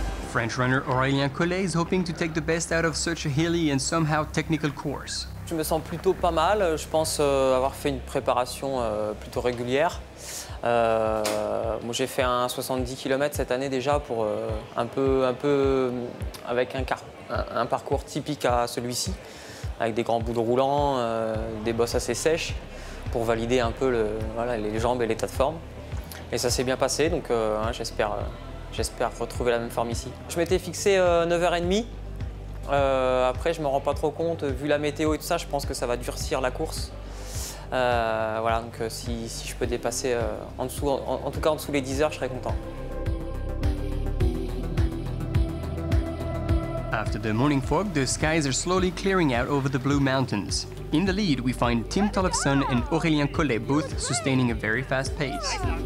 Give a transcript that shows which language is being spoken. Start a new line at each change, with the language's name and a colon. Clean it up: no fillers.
English: French runner Aurélien Collet is hoping to take the best out of such a hilly and somehow technical course.
French: Je me sens plutôt pas mal. Je pense avoir fait une préparation plutôt régulière. Moi, j'ai fait un 70 km cette année déjà pour un peu avec un parcours typique à celui-ci, avec des grands bouts de roulant, des bosses assez sèches pour valider un peu les jambes et l'état de forme. Et ça s'est bien passé, donc j'espère. J'espère retrouver la même forme ici. Je m'étais fixé 9h30. Après, je ne m'en rends pas trop compte. Vu la météo et tout ça, je pense que ça va durcir la course. Donc si je peux dépasser en dessous les 10h, je serais content.
English: After the morning fog, the skies are slowly clearing out over the Blue Mountains. In the lead, we find Tim Tollefson and Aurélien Collet both sustaining a very fast pace.